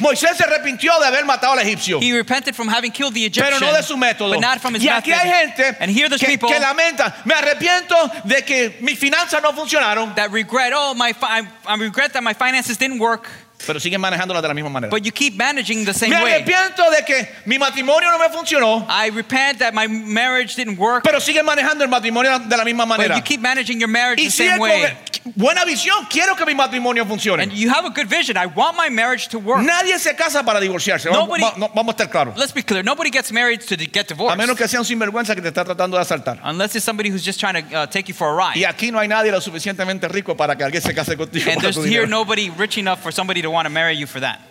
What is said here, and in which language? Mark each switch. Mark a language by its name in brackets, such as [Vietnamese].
[Spanish] Moisés se arrepintió de haber matado al egipcio. [English] He repented from having killed the Egyptian. [Spanish] Pero no de su método. [English] But not from his [Spanish] y [English] method. [Spanish] Y aquí hay gente [English] and here there's people [Spanish] que lamenta, me arrepiento de que mis finanzas no funcionaron. [English] That regret, oh my I regret that my finances didn't work. [Spanish] Pero siguen manejándola de la misma manera. [English] But you keep managing the same way. [Spanish] Me arrepiento [English] way. [Spanish] De que mi matrimonio no me funcionó. [English] I repent that my marriage didn't work. [Spanish] Pero siguen manejando el matrimonio de la misma manera. [English] But you keep managing your marriage [Spanish] y [English] the same way. [Spanish] Con, Buena visión, quiero que mi matrimonio funcione. [English] And you have a good vision. I want my marriage to work. [Spanish] Nadie se casa para divorciarse. [English] Nobody, [Spanish] vamos a estar claros. [English] Let's be clear. Nobody gets married to get divorced. [Spanish] A menos que sea un sinvergüenza que te está tratando de asaltar. [English] Unless it's somebody who's just trying to take you for a ride. [Spanish] Y aquí no hay nadie lo suficientemente rico para que alguien se case contigo. [English] And there's here nobody rich enough for somebody to want to marry you for that.